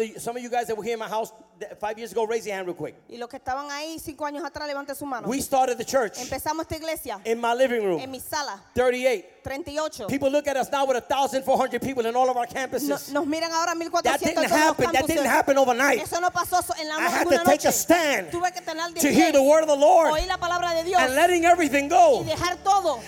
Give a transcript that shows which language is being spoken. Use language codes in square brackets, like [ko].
[en] And some of you guys that were here in my house 5 years ago, raise your hand real quick. [es] Y los que estaban ahí 5 años atrás, levante su mano. [en] We started the church. [es] Empezamos esta iglesia. [en] In my living room. [es] En mi sala. 38. [en] 38. People look at us now with 1,400 people in all of our campuses. [es] Nos miran ahora 1,400 [en] campuses. That didn't happen overnight. [es] Eso no pasó en la [en] I [es] una [en] had to [es] noche. [en] Take a stand [es] Tuve que tener [en] to hear the word of the Lord [es] oír la palabra de Dios [en] and letting everything go. [es] Y dejar todo.